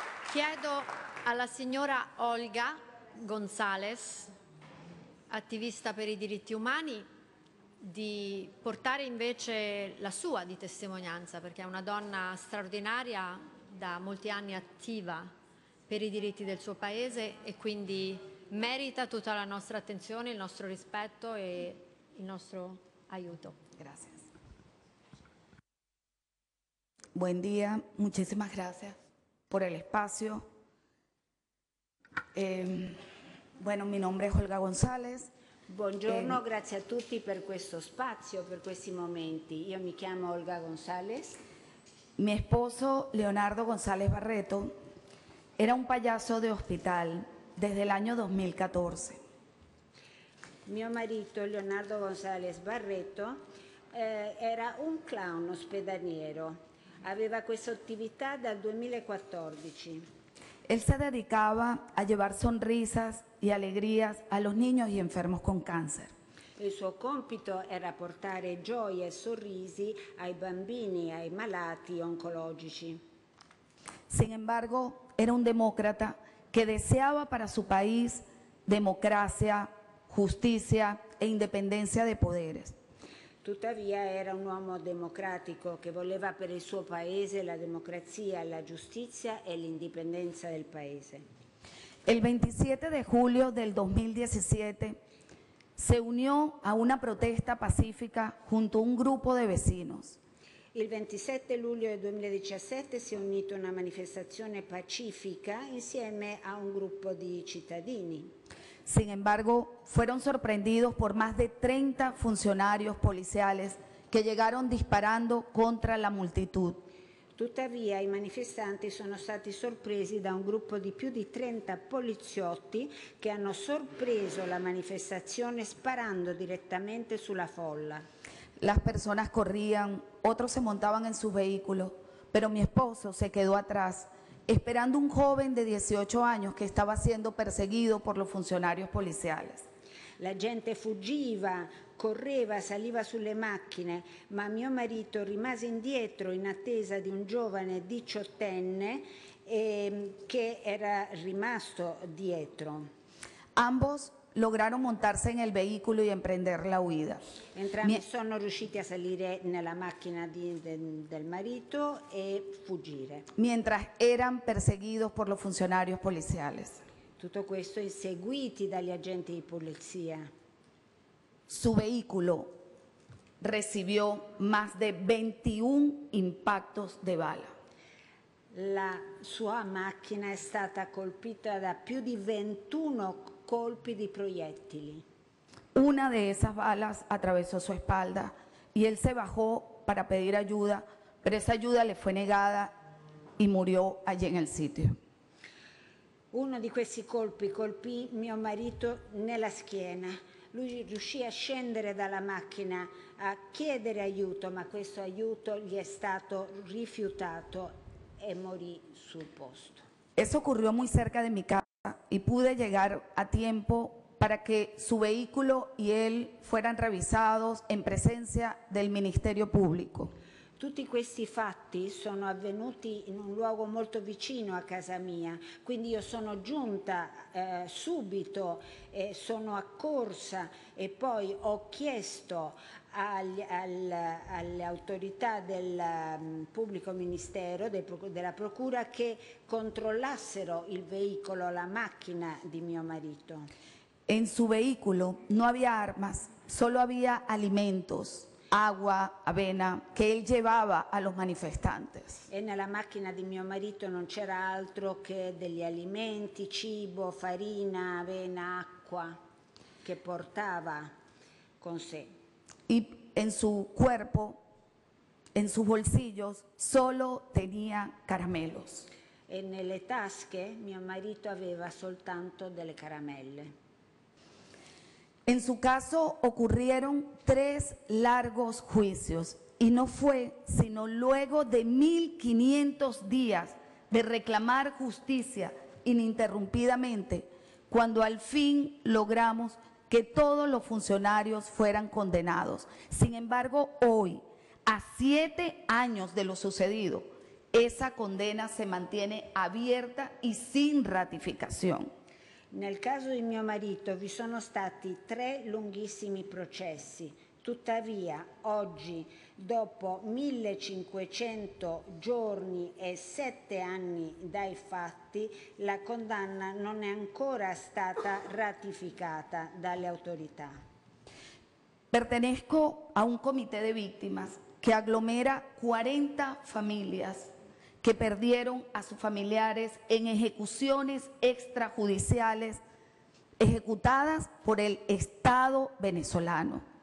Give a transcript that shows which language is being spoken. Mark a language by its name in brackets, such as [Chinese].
[Italian] Chiedo alla signora Olga González, attivista per i diritti umani, di portare invece la sua di testimonianza, perché è una donna straordinaria, da molti anni attiva per i diritti del suo paese e quindi merita tutta la nostra attenzione, il nostro rispetto e il nostro aiuto. Grazie. [Spanish] Buen día, muchísimas gracias por el espacio. Bueno, mi nombre es Olga González. [Italian] Buongiorno, grazie a tutti per questo spazio, per questi momenti. Io mi chiamo Olga González. [Spanish] Mi esposo Leonardo González Barreto era un payaso de hospital desde el año 2014. [Italian] Mio marito Leonardo González Barreto era un clown ospedaliero. Aveva questa attività dal 2014. [Spanish] Él se dedicaba a llevar sonrisas y alegrías a los niños y enfermos con cáncer. [Italian] Il suo compito era portare gioia e sorrisi ai bambini e ai malati oncologici. [Spanish] Sin embargo, era un demócrata que deseaba para su país democracia, justicia e independencia de poderes. [Italian] Tuttavia era un uomo democratico che voleva per il suo paese la democrazia, la giustizia e l'indipendenza del paese. [Spanish] El 27 de julio del 2017 se unió a una protesta pacífica junto a un grupo de vecinos. [Italian] Il 27 luglio del 2017 si è unito a una manifestazione pacifica insieme a un gruppo di cittadini. [Spanish] Sin embargo, fueron sorprendidos por más de 30 funcionarios policiales que llegaron disparando contra la multitud. [Italian] Tuttavia, i manifestanti sono stati sorpresi da un gruppo di più di 30 poliziotti che hanno sorpreso la manifestazione sparando direttamente sulla folla. [Spanish] Las personas corrían, otros se montaban en sus vehículos, pero mi esposo se quedó atrás, esperando un joven de 18 años que estaba siendo perseguido por los funcionarios policiales. [Italian] La gente fuggiva, correva, saliva sulle macchine, ma mio marito rimase indietro in attesa di un giovane diciottenne che era rimasto dietro. [Spanish] Ambos lograron montarse en el vehículo y emprender la huida. [Italian] Entrambi sono riusciti a salire nella macchina del marito e fuggire. [Spanish] Mientras eran perseguidos por los funcionarios policiales. [Italian] Tutto questo inseguiti dagli agenti di polizia. [Spanish] Su vehículo recibió más de 21 impactos de bala. [Italian] La sua macchina è stata colpita da più di 21 colpi di proiettili. [Spanish] Una de esas balas atravesó su espalda y él se bajó para pedir ayuda, pero esa ayuda le fue negada y murió allí en el sitio. [Italian] Uno di questi colpi colpì mio marito nella schiena. Lui riuscì a scendere dalla macchina a chiedere aiuto, ma questo aiuto gli è stato rifiutato e morì sul posto. [Spanish] Eso ocurrió muy cerca de mi casa y pude llegar a tiempo para que su vehículo y él fueran revisados en presencia del Ministerio Público. [Italian] Tutti questi fatti sono avvenuti in un luogo molto vicino a casa mia, quindi io sono giunta subito, sono accorsa e poi ho chiesto alle autorità del pubblico ministero, della procura, che controllassero il veicolo, la macchina di mio marito. In suo veicolo non c'era armi, solo c'era alimenti. [Spanish] Agua, avena, che él llevaba a los manifestantes. [Italian] E nella macchina di mio marito non c'era altro che degli alimenti, cibo, farina, avena, acqua che portava con sé. [Spanish] Y en su cuerpo, en sus bolsillos, solo tenía caramelos. [Italian] E nelle tasche mio marito aveva soltanto delle caramelle. [Spanish] En su caso ocurrieron tres largos juicios y no fue sino luego de 1500 días de reclamar justicia ininterrumpidamente cuando al fin logramos que todos los funcionarios fueran condenados. Sin embargo, hoy, a 7 años de lo sucedido, esa condena se mantiene abierta y sin ratificación. [Italian] Nel caso di mio marito vi sono stati 3 lunghissimi processi. Tuttavia, oggi, dopo 1500 giorni e 7 anni dai fatti, la condanna non è ancora stata ratificata dalle autorità. [Spanish] Pertenezco a un comité de víctimas que aglomera 40 familias que perdieron a sus familiares en ejecuciones extrajudiciales ejecutadas por el Estado venezolano.